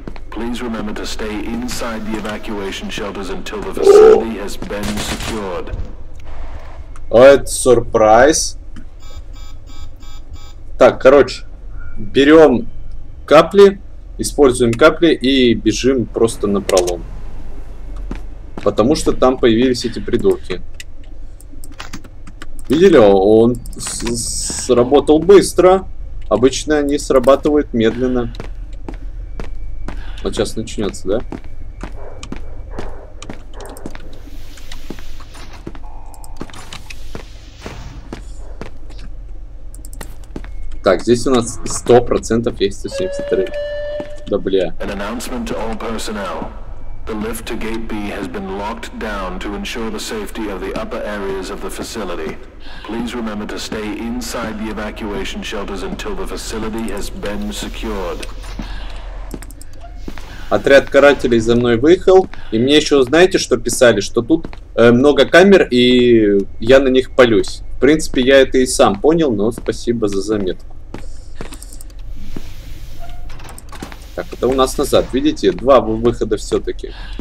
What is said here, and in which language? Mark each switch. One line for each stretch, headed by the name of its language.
English: Please remember to stay inside the evacuation shelters until the facility has been secured.
Russian: Oh, это сюрприз. Так, короче, берем капли, используем капли и бежим просто напролом. Потому что там появились эти придурки. Видели? Он сработал быстро. Обычно они срабатывают медленно. Вот сейчас начнется, да? Так, здесь у нас 100% есть 173. Да бля.
English: An announcement to all personnel. The lift to gate B has been locked down to ensure the safety of the upper areas of the facility. Please remember to stay inside the evacuation shelters until the facility has been secured.
Russian: Отряд карателей за мной выехал. И мне еще, знаете, что писали? Что тут много камер, и я на них палюсь. В принципе, я это и сам понял, но спасибо за заметку. Так, это у нас назад. Видите, два выхода все-таки.